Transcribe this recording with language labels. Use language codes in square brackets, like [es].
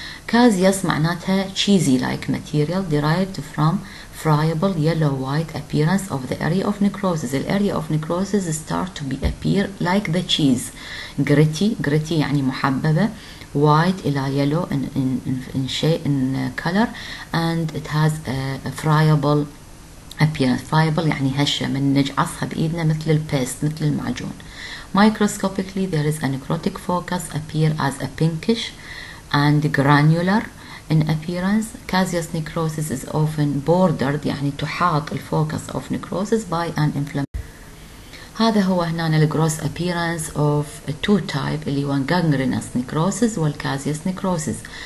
[en] Caseous معناتها cheesy like material derived from friable yellow white appearance of the area of necrosis. The area of necrosis start to be appear like the cheese, gritty [ar] يعني محببة, [en] white إلى yellow in color, and it has a friable appearance. [ar] Friable يعني هشة, من نجعصها بإيدنا مثل البيست, مثل المعجون. [en] Microscopically there is a necrotic focus appear as a pinkish and granular in appearance. Caseous necrosis is often bordered, [ar] يعني تحاط الفوكس [en] of necrosis by an inflammation. [ar] هذا هو هنا [en] الgross appearance of two type, اللي هو gangrenous necrosis والcaseous necrosis.